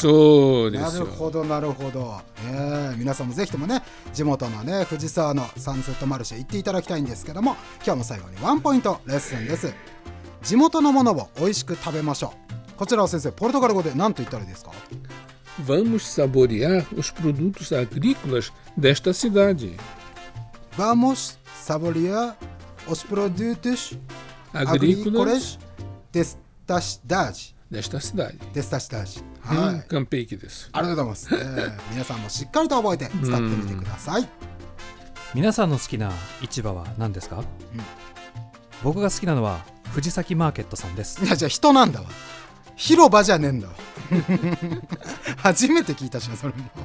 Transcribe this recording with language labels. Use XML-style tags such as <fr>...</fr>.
<ja>そうですよ。なるほど、皆さんもぜひともね、地元のね、藤沢のサンセットマルシェ行っていただきたいんですけども、今日も最後にワンポイントレッスンです。地元のものを美味しく食べましょう。こちらは先生、ポルトガル語で何と言ったらいいですか。</ja> <pt>Vamos saborear os produtos agrícolas desta cidade. Vamos saborear os produtos agrícolas desta cidade. Desta cidade. Desta cidade.</pt> <ja>はい。完璧です。ありがとうございます。皆さんもしっかりと覚えて使ってみてください。皆さんの好きな市場は何ですか。僕が好きなのは藤崎マーケットさんです。いや、じゃあ人なんだわ。広場じゃねえんだ。初めて聞いたしそれも。</ja>